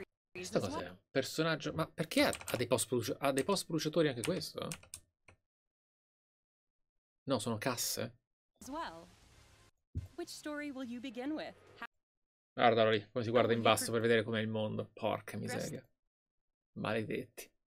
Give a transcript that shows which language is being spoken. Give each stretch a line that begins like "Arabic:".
Italian: Questa cos'è? Personaggio... Ma perché ha dei post bruciatori anche questo? No, sono casse?
English: Which story will you begin with?
Italian: Guardalo lì, come si guarda in basso per vedere com'è il mondo. Porca miseria. Maledetti.